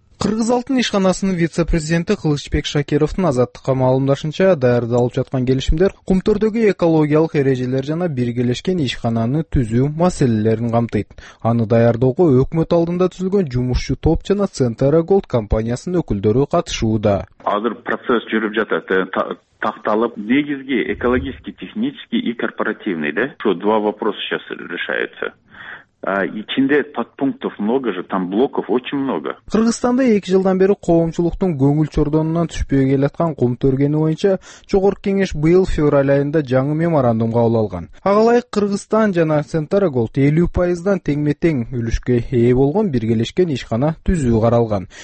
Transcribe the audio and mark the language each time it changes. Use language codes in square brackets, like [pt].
[ky] Кыргыз алтын ишканасынын вице-президенти Кылычбек Шакировдун Азаттыкка маалымдашынча, даярдалып жаткан келишимдер кумтөрдөгү экологиялык эрежелер жана биргелешкен ишкананы түзүү маселелерин камтыйт. Аны даярдоого өкмөт алдында түзүлгөн жумушчу топ жана Центра Голд компаниясынын өкүлдөрү катышууда. Азыр процесс жүрүп жатат. Такталып негизги [ru] экологический, технический и корпоративный, да? [ky] Ушу [ru] два вопроса сейчас решаются. [ky] Ичинде [ru] подпунктов много же, там блоков очень много. [ky] Кыргызстанда 2 жылдан бери коомчулуктун көңүл чордонунан түшпөй келаткан кумтөр кени боюнча Жогорку Кеңеш быйыл февраль айында жаңы меморандум кабыл алган. Ага ылайык Кыргызстан жана Центра Голд 50%дан теңме-тең үлүшкө ээ болгон биргелешкен ишкана түзүү каралган.